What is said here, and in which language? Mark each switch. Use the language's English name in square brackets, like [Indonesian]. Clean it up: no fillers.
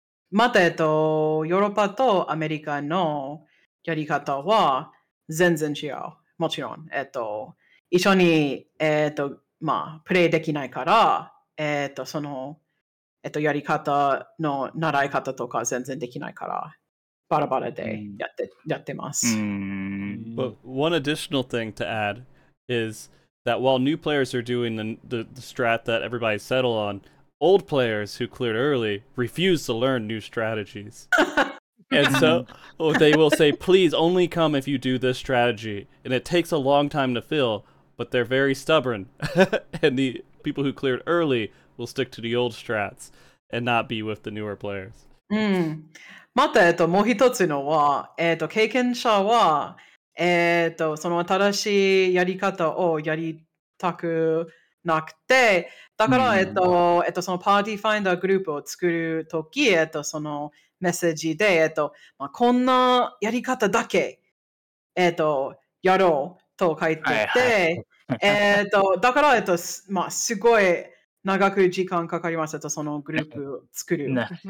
[Japanese] また、ヨーロッパとアメリカのやり方は全然違う。もちろん、一緒に、まあ、プレイできないから、その、やり方の習い方とか全然できないから。 [English] But one additional thing to add is that while new players are doing the strat that everybody settled on, old players who cleared early refuse to learn new strategies. And so they will say, please only come if you do this strategy. And it takes a long time to fill, but they're very stubborn. And the people who cleared early will stick to the old strats and not be with the newer players. Mm. [Japanese] また、もう一つのは、経験者は、その新しいやり方をやりたくなくて、だから、そのパーティーファインダーグループを作るとき、そのメッセージで、まあ、こんなやり方だけ、やろうと書いていて、はいはい、だから、まあ、すごい長く時間かかりました、そのグループを作ること。